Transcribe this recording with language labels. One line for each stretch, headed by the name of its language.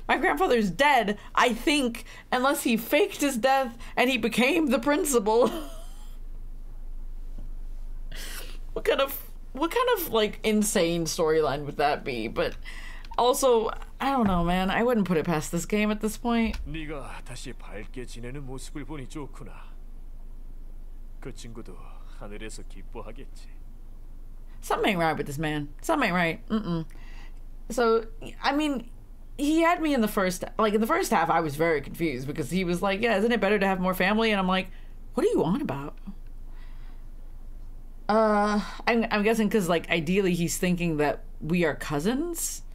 English: My grandfather's dead, I think, unless he faked his death and he became the principal. What kind of like insane storyline would that be? But also, I don't know, man. I wouldn't put it past this game at this point.
Korean: 네가 다시 밝게 지내는 모습을 보니 좋구나. 그 친구도 하늘에서 기뻐하겠지.
English: Something ain't right with this man. Something ain't right. Mm-mm. So, I mean, he had me in the first, like, in the first half, I was very confused because he was like, yeah, isn't it better to have more family? And I'm like, what are you on about? I'm guessing because, like, ideally he's thinking that we are cousins.